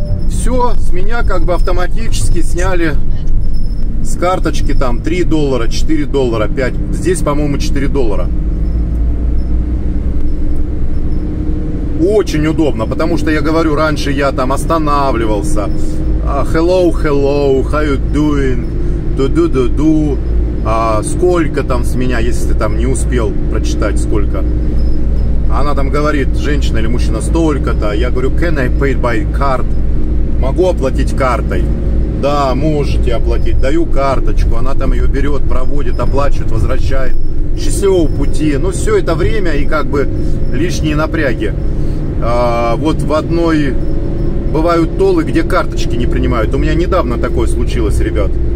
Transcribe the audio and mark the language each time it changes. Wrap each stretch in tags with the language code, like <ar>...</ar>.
<ru>Все, с меня как бы автоматически сняли с карточки там $3, $4, 5. Здесь, по-моему, $4. Очень удобно, потому что я говорю, раньше я там останавливался.</ru> <en>Hello, hello, how you doing? Ду-ду-ду-ду.</en> <ru>А сколько там с меня, если ты там не успел прочитать, сколько? Она там говорит, женщина или мужчина, столько-то. Я говорю,</ru> <en>can I pay by card?</en> <ru>Могу оплатить картой? Да, можете оплатить. Даю карточку, она там ее берет, проводит, оплачивает, возвращает. Счастливого пути. Ну, все это время и как бы лишние напряги. Вот в одной бывают толы, где карточки не принимают. У меня недавно такое случилось, ребят.</ru>